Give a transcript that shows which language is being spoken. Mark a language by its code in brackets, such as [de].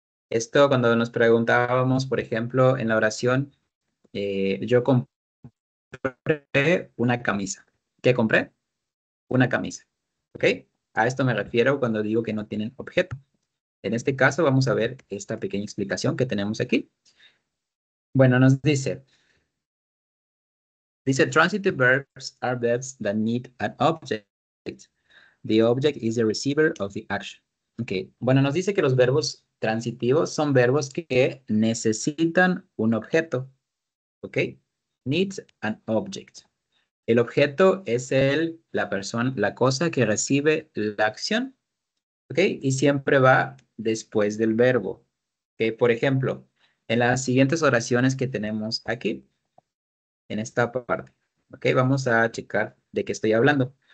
[es] Esto cuando nos preguntábamos, por ejemplo, en la oración, yo compré una camisa. ¿Qué compré? Una camisa, ok. A esto me refiero cuando digo que no tienen objeto. En este caso, vamos a ver esta pequeña explicación que tenemos aquí. Bueno, nos dice. [en] Dice, transitive verbs are verbs that need an object. The object is the receiver of the action. Ok. [es] Bueno, nos dice que los verbos transitivos son verbos que necesitan un objeto. Ok. [en] Need an object. [es] El objeto es el, la persona, la cosa que recibe la acción. Ok. Y siempre va después del verbo. Okay, por ejemplo, en las siguientes oraciones que tenemos aquí, en esta parte, okay, vamos a checar de qué estoy hablando.